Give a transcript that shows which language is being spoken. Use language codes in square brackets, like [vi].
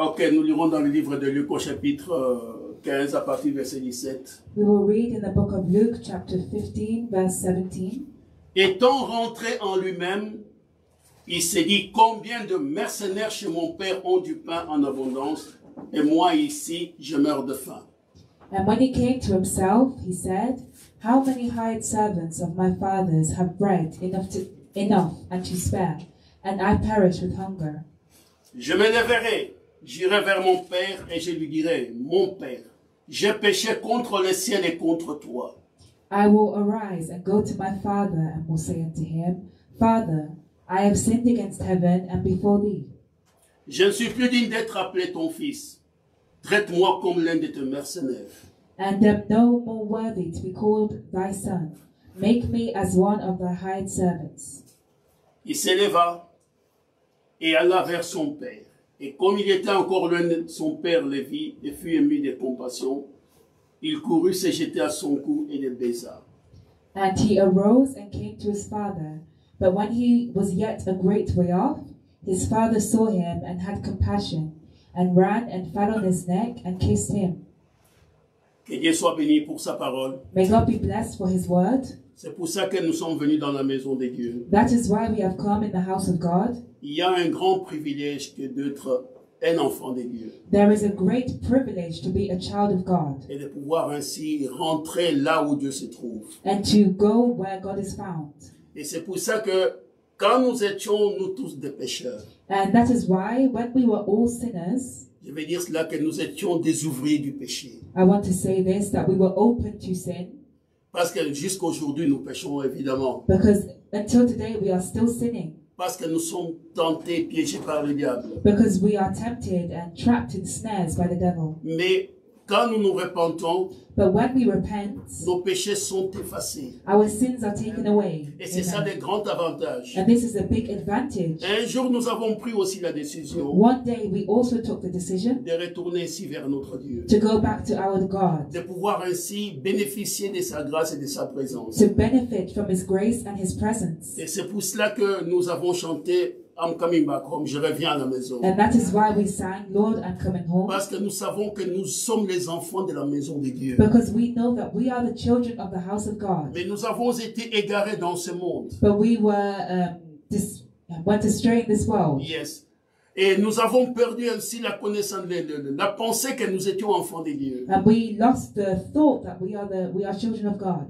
[fr] Okay, nous lirons dans le livre de Luc au chapitre 15 à partir du verset 17. [en] We will read in the book of Luke, chapter 15, verse 17. [fr] Étant rentré en lui-même, il s'est dit, combien de mercenaires chez mon père ont du pain en abondance, et moi ici, je meurs de faim. [en] And when he came to himself, he said, how many hired servants of my father's have bread enough and to spare, and I perish with hunger. [fr] Je me lèverai, j'irai vers mon père, et je lui dirai, mon père, j'ai péché contre le ciel et contre toi. [en] I will arise and go to my father and will say unto him, Father, I have sinned against heaven and before thee. [fr] Je ne suis plus digne d'être appelé ton fils. Traite-moi comme l'un de tes mercenaires. [en] And am no more worthy to be called thy son. Make me as one of thy hired servants. [fr] Il s'éleva et alla vers son père. Et comme il était encore loin de son père, le vit et fut ému de compassion. Il courut se jeter à son cou et le baisa. [en] And he arose and came to his father. But when he was yet a great way off, his father saw him and had compassion, and ran and fell on his neck and kissed him. [fr] Que Dieu soit béni pour sa parole. [en] May God be blessed for his word. [fr] C'est pour ça que nous sommes venus dans la maison de Dieu. [en] That is why we have come in the house of God. [fr] Il y a un grand privilège que d'être un enfant de Dieu. [en] There is a great privilege to be a child of God. [fr] Et de pouvoir ainsi rentrer là où Dieu se trouve. [en] And to go where God is found. [fr] Et c'est pour ça que quand nous étions nous tous des pécheurs. [en] And that is why when we were all sinners. [fr] Je veux dire cela que nous étions des ouvriers du péché. [en] I want to say this, that we were open to sin. [fr] Parce que jusqu'aujourd'hui nous péchons évidemment. [en] Because until today we are still sinning. [fr] Parce que nous sommes tentés, piégés par le diable. [en] Because we are tempted and trapped in snares by the devil. [fr] Mais quand nous nous repentons, [en] but when we repent, [fr] nos péchés sont effacés. [en] Our sins are taken away. [fr] Et c'est ça des grands avantages. [en] And this is a big advantage. [fr] Et un jour, nous avons pris aussi la décision. [en] One day, we also took the decision [fr] de retourner ici vers notre Dieu. [en] To go back to our God. [fr] De pouvoir ainsi bénéficier de sa grâce et de sa présence. [en] To benefit from his grace and his presence. [fr] Et c'est pour cela que nous avons chanté. [en] I'm coming back home. [fr] Je reviens à la maison. [en] And that is why we sang, Lord, I'm coming home. [fr] Parce que nous savons que nous sommes les enfants de la maison de Dieu. [en] Because we know that we are the children of the house of God. [fr] Mais nous avons été égarés dans ce monde. [en] But we went astray in this world. Yes. [fr] Et nous avons perdu ainsi la connaissance de la pensée que nous étions enfants de Dieu. [en] And we lost the thought that we are children of God.